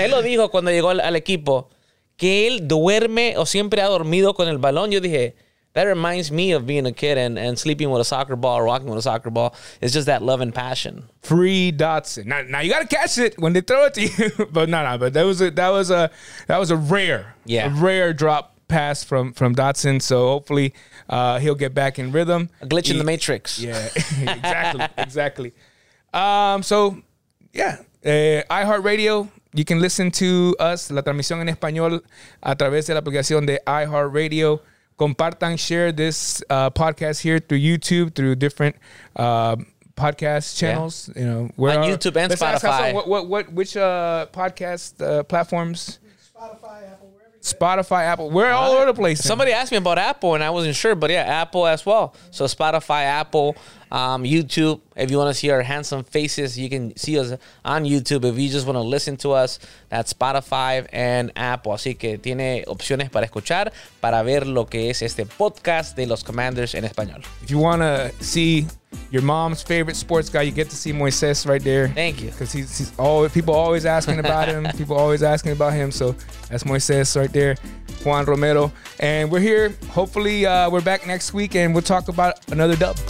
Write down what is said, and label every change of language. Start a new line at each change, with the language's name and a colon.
Spanish: Él lo dijo cuando llegó al equipo, que él duerme o siempre ha dormido con el balón.
English: Yo dije, that reminds me of being a kid and sleeping with a soccer ball or walking with a soccer ball. It's just that love and passion. Free Dotson. Now you got to catch it when they throw it to you. But that was a rare, yeah. A rare drop. Pass from Dotson, so hopefully he'll get back in rhythm. A glitch in the matrix. Yeah, exactly. So, iHeartRadio, you can listen to us, La Transmisión en Español, a través de la aplicación de iHeartRadio. Compartan, share this podcast here through YouTube, through different podcast channels. Yeah. You know, where on YouTube and Spotify. Let's ask also, which podcast platforms? Spotify, Apple. Spotify, Apple, we're all over the place. Somebody asked me about Apple and I wasn't sure, but yeah, Apple as well. So Spotify, Apple, YouTube. If you want to see our handsome faces, you can see us on YouTube. If you just want to listen to us, that's Spotify and Apple.
Spanish: Así que tiene opciones para escuchar, para ver lo que es este podcast de los Commanders en Español.
English: If you want to see your mom's favorite sports guy, you get to see Moisés right there. Thank you. Because he's always, people always asking about him. People always asking about him. So that's Moisés right there, Juan Romero. And we're here. Hopefully, we're back next week and we'll talk about another dub.